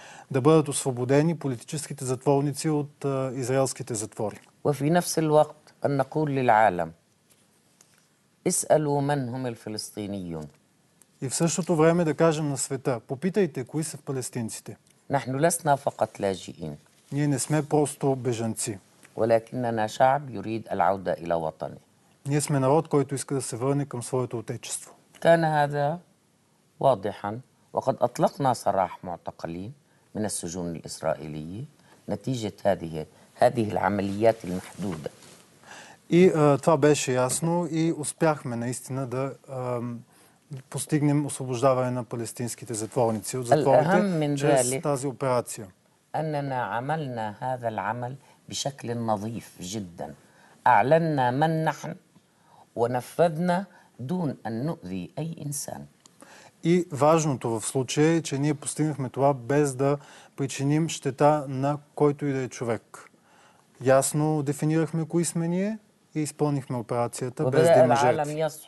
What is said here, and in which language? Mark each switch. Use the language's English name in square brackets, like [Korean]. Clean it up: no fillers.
[Bulgarian] Да бъдат освободени политическите затворници от израелските затвори. [Arabic] وفي نفس الوقت أن نقول للعالم اسألوا من هم الفلسطينيون. [Bulgarian] И в същото време да кажем на света, попитайте кои са палестинците. [Arabic] نحن لسنا فقط لاجئين. [Bulgarian] Ние не сме просто бежанци. [Arabic] ولكننا شعب يريد العودة إلى وطنه. [Bulgarian] Ние сме народ, който иска да се върне към своето отечество. [Arabic] كان هذا واضحا وقد أطلقنا سراح معتقلين من السجون الإسرائيلية نتيجة هذه العمليات المحدودة. [Bulgarian] И това беше ясно и успяхме наистина да постигнем освобождаване на палестинските затворници от затворите чрез тази операция. [Arabic] أننا عملنا هذا العمل بشكل نظيف جدا. أعلننا من نحن ونفذنا دون أن نؤذي أي إنسان. [Bulgarian] И важното в случая е, че ние постигнахме това без да причиним щета на който и да е човек. Ясно дефинирахме кои сме ние и изпълнихме операцията без да има жертви.